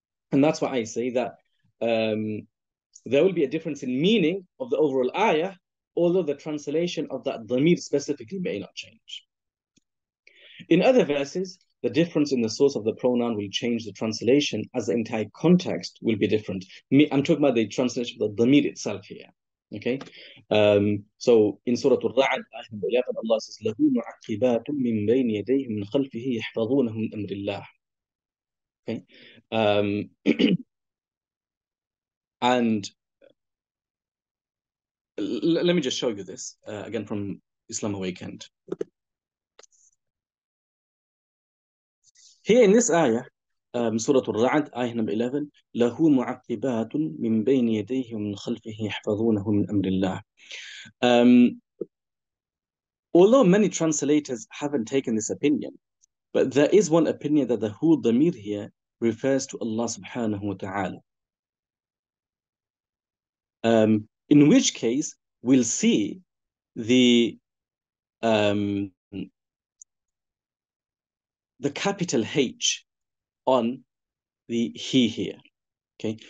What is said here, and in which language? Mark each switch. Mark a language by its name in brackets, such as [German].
[English] And that's why I say that there will be a difference in meaning of the overall ayah, although the translation of that dhamir specifically may not change. In other verses, the difference in the source of the pronoun will change the translation as the entire context will be different. I'm talking about the translation of the dhamir itself here. Okay, so in Surah Al-Ra'd, ayah 11, Allah says, [Arabic] لَهُ مُعَقِّبَاتٌ مِّن بَيْنِ يَدَيْهِ مِّن خَلْفِهِ يَحْفَظُونَهُ مِّنْ أَمْرِ اللَّهِ. [English] Okay, and let me just show you this again from Islam Awakened. Here in this ayah, Surah Al-Ra'd, ayah number 11, [Arabic] لَهُ مُعَقِّبَاتٌ مِّن بَيْنِ يَدَيْهِ وَمِّنْ خَلْفِهِ يَحْفَظُونَهُ مِّنْ أَمْرِ اللَّهِ. [English] Although many translators haven't taken this opinion, but there is one opinion that the hu dhamir here refers to Allah subhanahu wa ta'ala. In which case, we'll see the capital H on the he here, okay?